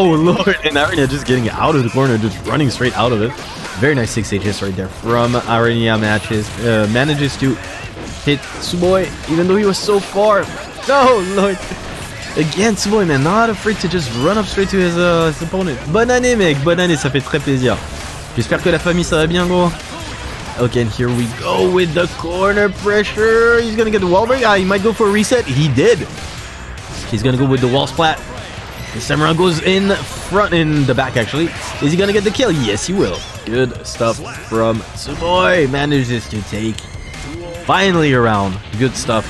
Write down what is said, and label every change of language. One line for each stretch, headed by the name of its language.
English: Oh Lord, and Aranea just getting out of the corner, just running straight out of it. Very nice 6 HS right there from Aranea. Manages to hit Tsuboi, even though he was so far. Oh Lord. Again, Tsuboi, man, not afraid to just run up straight to his opponent.
French: Bonne année, mec. Bonne année, ça fait très plaisir. J'espère que la famille ça va bien, gros.
English: Okay, and here we go with the corner pressure. He's gonna get the wall break. He might go for a reset. He did. He's gonna go with the wall splat. The samurai goes in front, in the back, actually. Is he gonna get the kill? Yes, he will. Good stuff from Tsuboi. Manages to take finally around. Good stuff.